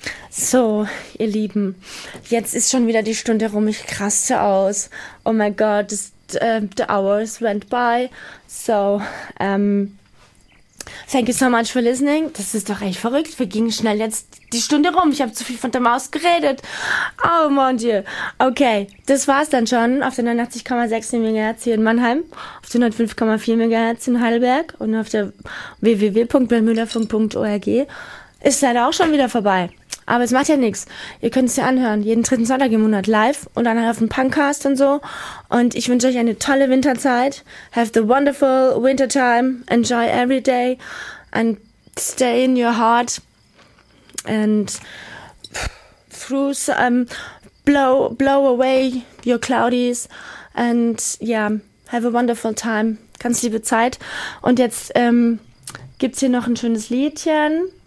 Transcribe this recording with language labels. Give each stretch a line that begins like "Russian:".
German: So, ihr Lieben, jetzt ist schon wieder die Stunde rum. Ich raste aus.
English: Oh my God, the hours went by. So, thank you so much for listening.
German: Das ist doch echt verrückt. Wir gingen schnell jetzt die Stunde rum. Ich habe zu viel von der Maus geredet.
French: Oh, mon Dieu.
German: Okay, das war's dann schon. Auf der 89,6 MHz hier in Mannheim. Auf der 105,4 MHz in Heidelberg. Und auf der www.bernmüllerfunk.org. Ist leider auch schon wieder vorbei. Aber es macht ja nichts. Ihr könnt es ja anhören. Jeden dritten Sonntag im Monat live. Und dann auf dem Punkcast und so. Und ich wünsche euch eine tolle Winterzeit.
English: Have the wonderful winter time. Enjoy every day. And stay in your heart. And through some, blow away your cloudies. And yeah, have a wonderful time.
German: Ganz liebe Zeit. Und jetzt gibt's hier noch ein schönes Liedchen.